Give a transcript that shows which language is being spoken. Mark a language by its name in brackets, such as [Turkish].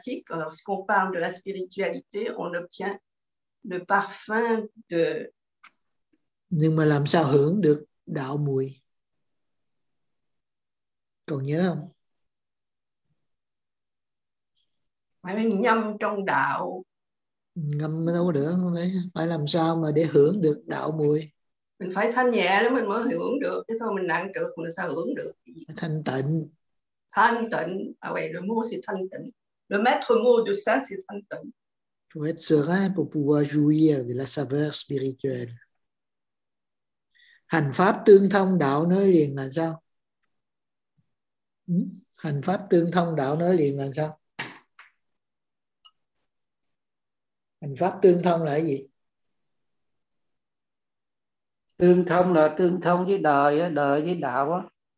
[French] Lorsqu'on parle de la spiritualité, on obtient le parfum de. [Vietnamese] Nhưng mà làm sao hưởng được đạo mùi? Còn nhớ không? Ngâm trong đạo. Ngâm đâu có được. Không đấy. Phải làm sao mà để hưởng được đạo mùi? Mình phải thanh nhẹ lắm mình mới hưởng được. Chứ thôi mình nặng trược mình sao hưởng được. Thanh tịnh. Thanh tịnh. À, vậy, [French] le mot c'est [Vietnamese] thanh tịnh. [French] Le maître mot de ça c'est thanh tịnh. Faut être serein pour pouvoir jouir de la saveur spirituelle. [Vietnamese] Hành pháp tương thông đạo nói liền là sao? Hành pháp tương thông đạo nói liền là sao? Hành pháp tương thông là gì? Tương thông là tương thông với đời, đời với đạo.